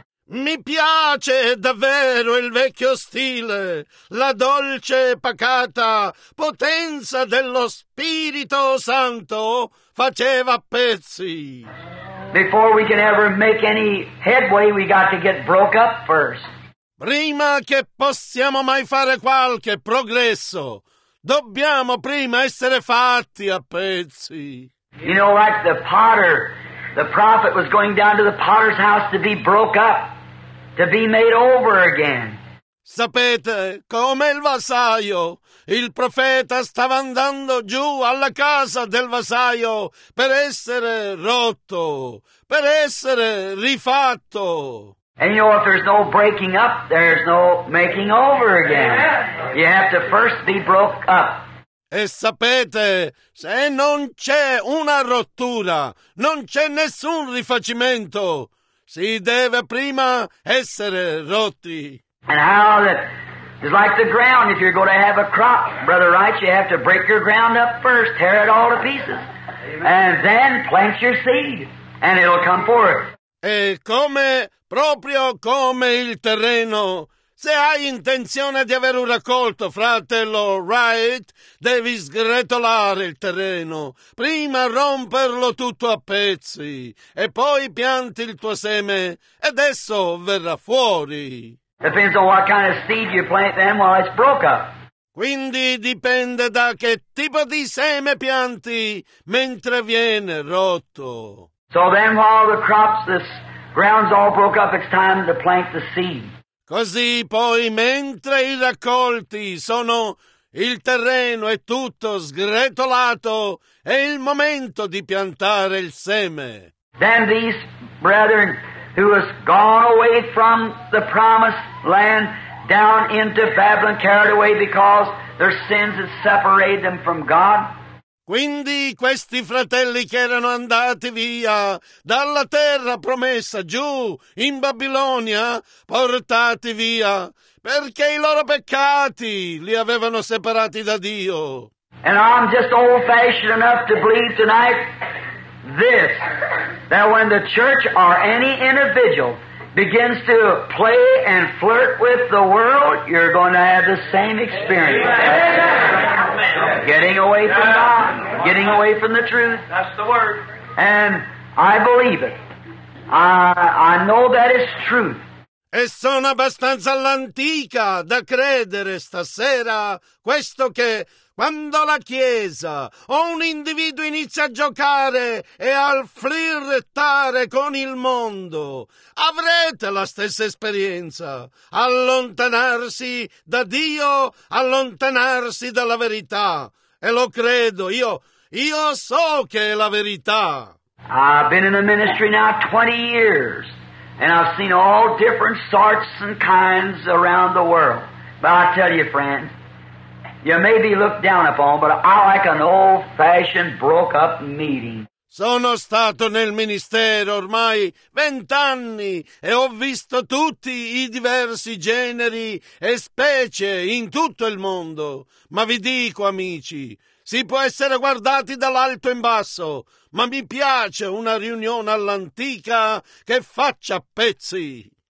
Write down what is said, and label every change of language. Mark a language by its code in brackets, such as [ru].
[it] Mi piace davvero il vecchio stile, la dolce e pacata potenza dello Spirito Santo faceva pezzi. [en] Before we can ever make any headway, we got to get broke up first. [it] Prima che possiamo mai fare qualche progresso, dobbiamo prima essere fatti a pezzi. [en] You know, like the potter, the prophet was going down to the potter's house to be broke up. To be made over again. [it] Sapete, come il vasaio, il profeta stava andando giù alla casa del vasaio per essere rotto, per essere rifatto. [en] And you know, if there's no breaking up, there's no making over again. You have to first be broke up. [it] E sapete, se non c'è una rottura, non c'è nessun rifacimento. Si deve prima essere rotti. [en] And how that is like the ground. If you're going to have a crop, Brother Wright, you have to break your ground up first, tear it all to pieces, and then plant your seed, and it'll come forth. [it] E come, proprio come il terreno, Se hai intenzione di avere un raccolto, fratello Wright, devi sgretolare il terreno. Prima romperlo tutto a pezzi e poi pianti il tuo seme ed esso verrà fuori. [en] Depends on what kind of seed you plant then while it's broke up. [it] Quindi dipende da che tipo di seme pianti mentre viene rotto. [en] So then while the crops, the ground's all broke up, it's time to plant the seed. [it] Così poi mentre i raccolti sono, il terreno è tutto sgretolato, è il momento di piantare il seme. [en] Then these brethren who has gone away from the promised land down into Babylon, carried away because their sins had separated them from God. [it] Quindi questi fratelli che erano andati via dalla terra promessa giù in Babilonia, portati via perché i loro peccati li avevano separati da Dio. [en] And I'm just old-fashioned enough to believe tonight this, that when the church or any individual begins to play and flirt with the world, you're going to have the same experience. Getting away from God, getting away from the truth. That's the word. And I believe it. I know that it's truth. [it] E sono abbastanza all'antica da credere stasera questo che quando la Chiesa o un individuo inizia a giocare e a flirtare con il mondo, avrete la stessa esperienza. Allontanarsi da Dio, allontanarsi dalla verità. E lo credo, io so che è la verità. [en] I've been in the ministry now 20 years. And I've seen all different sorts and kinds around the world. But I tell you, friend, you may be looked down upon, but I like an old-fashioned, broke-up meeting. [it] Sono stato nel ministero ormai 20 anni e ho visto tutti i diversi generi e specie in tutto il mondo. Ma vi dico, amici, si può essere guardati dall'alto in basso, ma mi piace una riunione all'antica che faccia pezzi.